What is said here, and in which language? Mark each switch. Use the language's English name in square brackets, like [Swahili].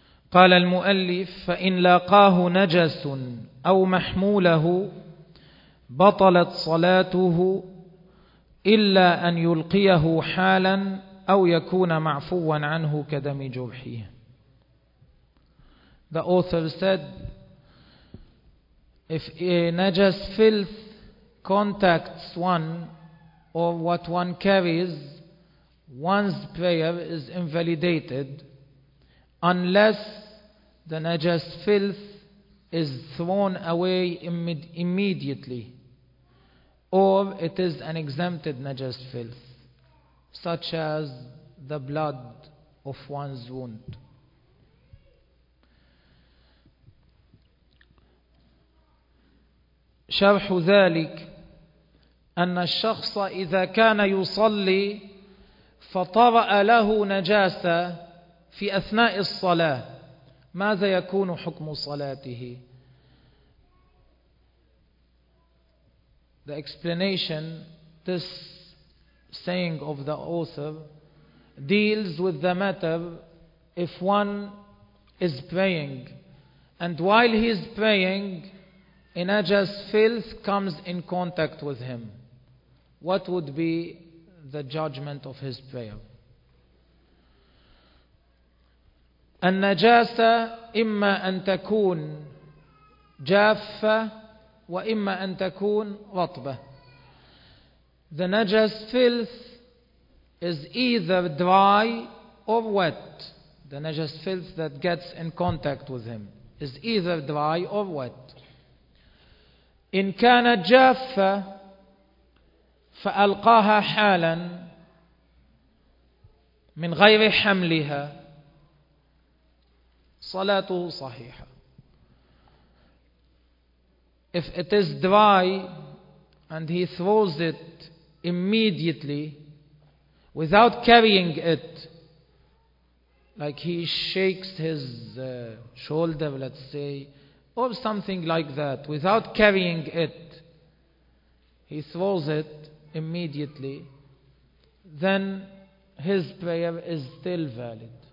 [Arabic] قال المؤلف: فإن لاقاه نجس أو محموله بطلت صلاته إلا أن يلقيه حالا أو يكون معفوا عنه كدم جرحه. [English] The author said, if a najas filth contacts one or what one carries, one's prayer is invalidated unless the najas filth is thrown away immediately, or it is an exempted najas filth, such as the blood of one's wound. [Arabic] شرح ذلك أن الشخص إذا كان يصلي فطرأ له نجاسة في أثناء الصلاة، ماذا يكون حكم صلاته؟ [English] The explanation, this saying of the author, deals with the matter if one is praying and while he is praying, a najas filth comes in contact with him. What would be the judgment of his prayer? [Arabic] النجاسة إما أن تكون جافة وإما أن تكون رطبة. [English] The najas filth is either dry or wet. The najas filth that gets in contact with him is either dry or wet. [Arabic] إن كانت جافة فألقاها حالا من غير حملها صلاته صحيحة. [English] If it is dry and he throws it immediately without carrying it, like he shakes his shoulder, let's say, or something like that, without carrying it, he throws it immediately, then his prayer is still valid.